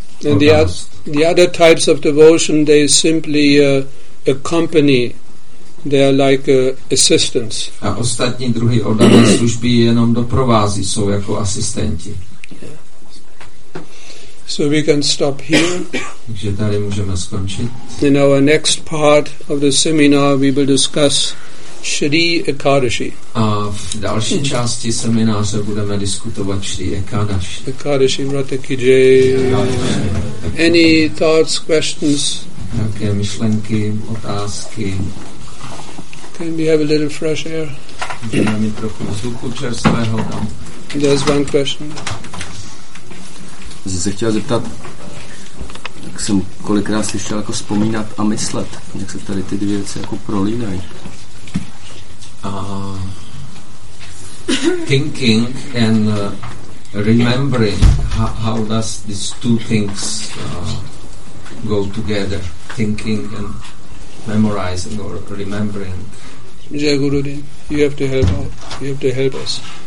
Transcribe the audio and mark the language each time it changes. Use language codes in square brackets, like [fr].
[en] And the other types of devotion, they simply accompany, they are like assistants. [cs] A ostatní druhy oddané služby jenom doprovází, jsou jako asistenti. [en] So we can stop here. [cs] Takže tady můžeme skončit. [en] In our next part of the seminar we will discuss Shri Ekadashi. [cs] A v další části semináře budeme diskutovat Shri Ekadashi. [hi] Ekadashi Vrata ki jai. [en] Any thoughts, questions? [cs] Nějaké myšlenky, otázky? [en] Can we have a little fresh air? [cs] Můžeme mít trochu vzduchu čerstvého tam. [en] There's one question. [cs] Jsem se chtěl zeptat, jak jsem kolikrát slyšel jako vzpomínat a myslet, jak se tady ty dvě věci jako prolínají. [en] Thinking and remembering, how does these two things go together? Thinking and memorizing or remembering. Jai Guruji, you have to help out. You have to help us.